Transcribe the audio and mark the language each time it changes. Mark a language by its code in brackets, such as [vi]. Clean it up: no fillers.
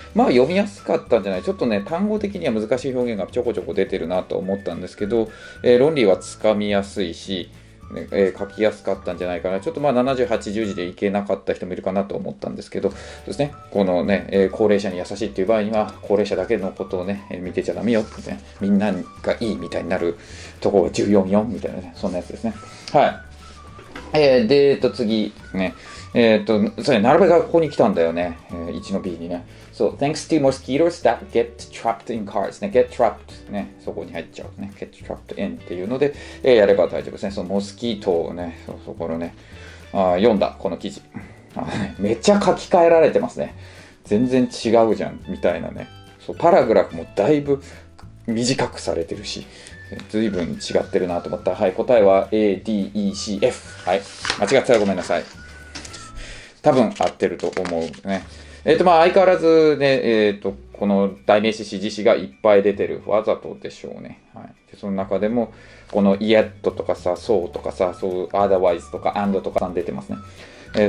[ja] まあ、読みやすかったんじゃない。ちょっとね、単語的には難しい表現がちょこちょこ出てるなと思ったんですけど、論理はつかみやすいし、書きやすかったんじゃないかな。ちょっとまあ70、80字でいけなかった人もいるかなと思ったんですけど、そうですね、このね、高齢者に優しいっていう場合には高齢者だけのことをね、見てちゃダメよってね、みんながいいみたいになるところが重要よみたいなね、そんなやつですね。はい、で、次ね、それなるべくここに来たんだよね、1の B にね。 [en] So, thanks to mosquitoes that get trapped in cars. [ja] ね、 [en] get trapped. [ja] ね、そこに入っちゃう。ね、 [en] get trapped in [ja] っていうので、やれば大丈夫ですね。そのモスキートをね、そこのね、読んだ、この記事。めっちゃ書き換えられてますね。全然違うじゃん、みたいなね。そう、パラグラフもだいぶ短くされてるし、ずいぶん違ってるなと思った。はい、答えは A, D, E, C, F。はい、間違ったらごめんなさい。多分合ってると思うね。まあ、相変わらずね、この代名詞指示詞がいっぱい出てる。わざとでしょうね。はい。で、その中でも、この yet とかさ、so とかさ、so otherwise とか and とか出てますね。